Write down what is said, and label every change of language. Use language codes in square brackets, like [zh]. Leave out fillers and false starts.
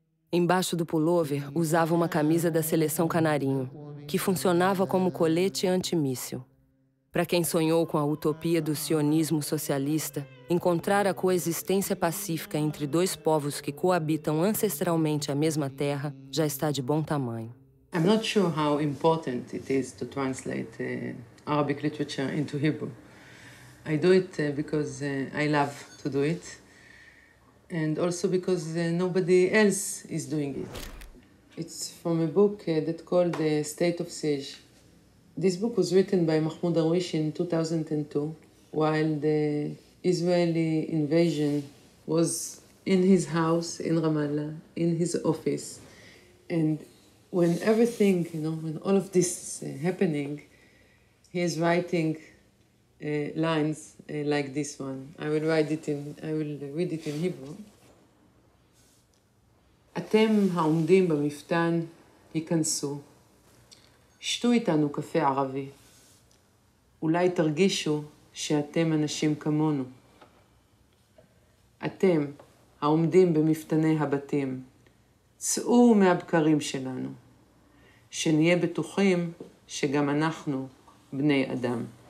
[pt] Embaixo do pullover, usava uma camisa da Seleção Canarinho, que funcionava como colete antimíssil. Para quem sonhou com a utopia do sionismo socialista, encontrar a coexistência pacífica entre dois povos que coabitam ancestralmente a mesma terra já está de bom tamanho. [en] I'm not sure how important it is to translate Arabic literature into Hebrew. I do it because I love to do it, and also because nobody else is doing it. It's from a book that called The State of Siege. This book was written by Mahmoud Darwish in 2002, while the Israeli invasion was in his house in Ramallah, in his office. And when everything, you know, when all of this is happening, he is writing lines like this one. I will read it in Hebrew. [he] אתם העומדים במפתן, היכנסו. שתו איתנו קפה ערבי. אולי תרגישו שאתם אנשים כמונו. אתם העומדים במפתני הבתים, צאו מהבקרים שלנו, שנהיה בטוחים שגם אנחנו בני אדם.